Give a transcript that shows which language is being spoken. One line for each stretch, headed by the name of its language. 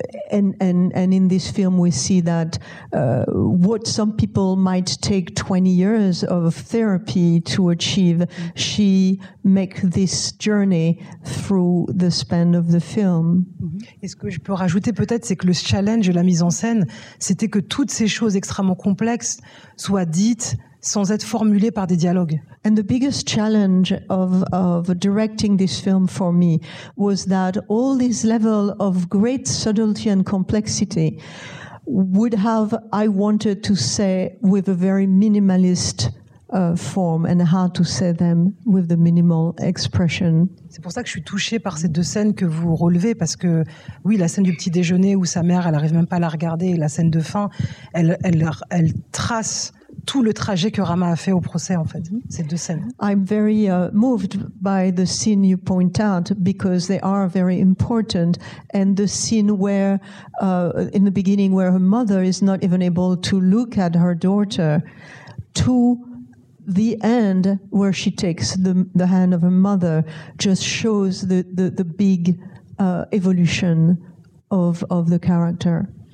English: And in this film we see that what some people might take 20 years of therapy to achieve, she make this journey through the span of the film.
French: Et ce que je peux rajouter peut-être, c'est que le challenge de la mise en scène, c'était que toutes ces choses extrêmement complexes soient dites sans être formulées par des dialogues.
English: And the biggest challenge of directing this film for me was that all this level of great subtlety and complexity would have, I wanted to say, with a very minimalist form, and how to say them with the minimal expression.
French: C'est pour ça que je suis touchée par ces deux scènes que vous relevez, parce que, oui, la scène du petit déjeuner où sa mère, elle n'arrive même pas à la regarder, et la scène de fin, elle trace tout le trajet que Rama a fait au procès, en fait, ces deux scènes.
English: I'm very moved by the scene you point out because they are very important, and the scene where in the beginning where her mother is not even able to look at her daughter, to the end where she takes the hand of her mother, just shows the big evolution of the character.